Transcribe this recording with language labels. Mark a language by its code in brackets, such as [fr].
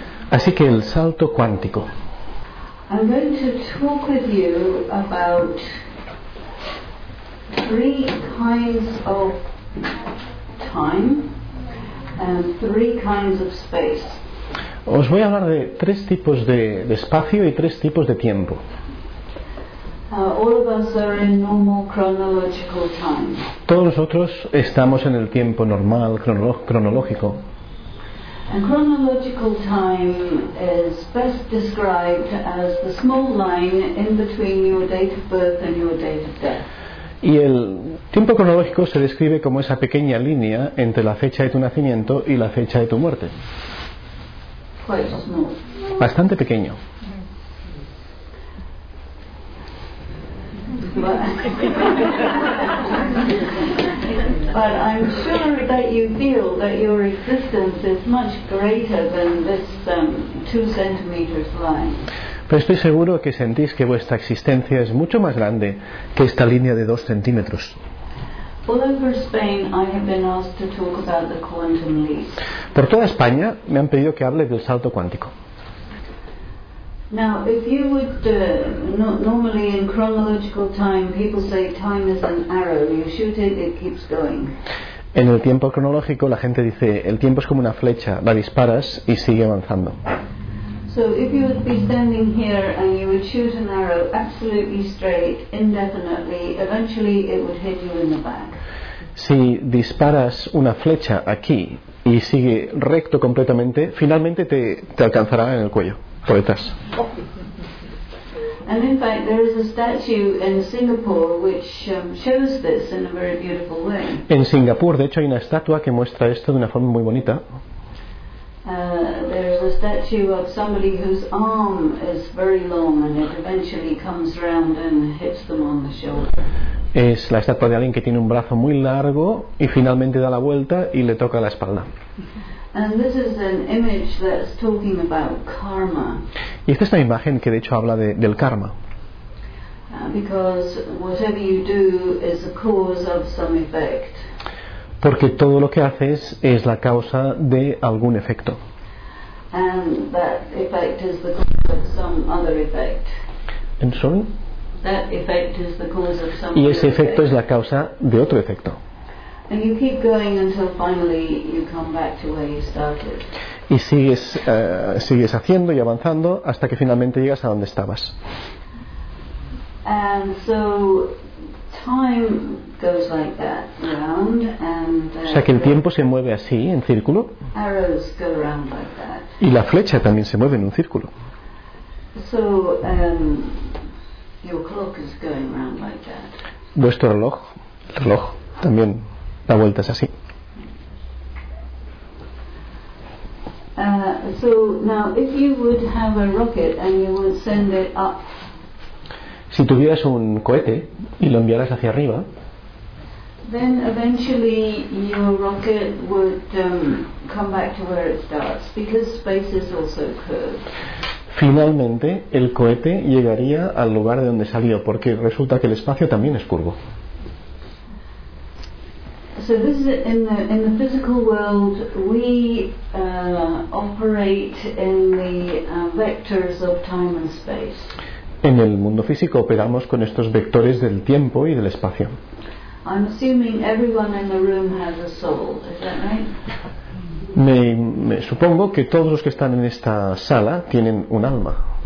[es] Así que el salto cuántico. [en] I'm going to talk with you about three kinds of time and three kinds of space. [es] Os voy a hablar de tres tipos de espacio y tres tipos de tiempo. [en] All of us are in normal chronological time. [es] Todos nosotros estamos en el tiempo normal, cronológico. [en] And chronological time is best described as the small line in between your date of birth and your date of death. [es] Y el tiempo cronológico se describe como esa pequeña línea entre la fecha de tu nacimiento y la fecha de tu muerte. [en] Quite small. [es] Bastante pequeño. [en] But I'm sure that you feel that your existence is much greater than this 2 centimeters line. [es] Pero estoy seguro que sentís que vuestra existencia es mucho más grande que esta línea de 2 centímetros. [en] All over Spain, I have been asked to talk about the quantum leap. [es] Por toda España me han pedido que hable del salto cuántico. [en] Now, if you would normally in chronological time, people say time is an arrow. You shoot it, it keeps going. [es] En el tiempo cronológico, la gente dice el tiempo es como una flecha, la disparas y sigue avanzando. [en] So, if you would be standing here and you would shoot an arrow absolutely straight, indefinitely, eventually it would hit you in the back. [es] Si disparas una flecha aquí y sigue recto completamente, finalmente te alcanzará en el cuello. Poetas. [en] And in fact, there is a statue in Singapore which shows this in a very beautiful way. [es] En Singapur, de hecho, hay una estatua que muestra esto de una forma muy bonita. [en] There is a statue of somebody whose arm is very long and it eventually comes round and hits them on the shoulder. [es] Es la estatua de alguien que tiene un brazo muy largo y finalmente da la vuelta y le toca la espalda. [en] And this is an image that's talking about karma. [es] Y esta es una imagen que de hecho habla del karma. [en] Because whatever you do is a cause of some effect. [es] Porque todo lo que haces es la causa de algún efecto. [en] And that effect is the cause of some other effect. ¿En sorry? That effect is the cause of some [es] y ese [en] effect. [es] Efecto es la causa de otro efecto. [en] And you keep going until finally you come back to where you started. [es] Y sigues haciendo y avanzando hasta que finalmente llegas a donde estabas. [en] And so time goes like that round and [es] o sea que el tiempo se mueve así en círculo. [en] Arrows go around like that. [es] Y la flecha también se mueve en un círculo. [en] So your clock is going round like that. [es] Vuestro reloj también. La vuelta es así. [en] So now if you would have a rocket and you would send it up. [es] Si tuvieras un cohete y lo enviaras hacia arriba. [en] Then eventually your rocket would come back to where it starts because space is also curved. [es] Finalmente el cohete llegaría al lugar de donde salió porque resulta que el espacio también es curvo. [en] So this is in the physical world we operate in the vectors of time and space. [es] En el mundo físico operamos con estos vectores del tiempo y del espacio. [en] I'm assuming everyone in the room has a soul, is that right? [es] Me supongo que todos los que están en esta sala tienen un alma.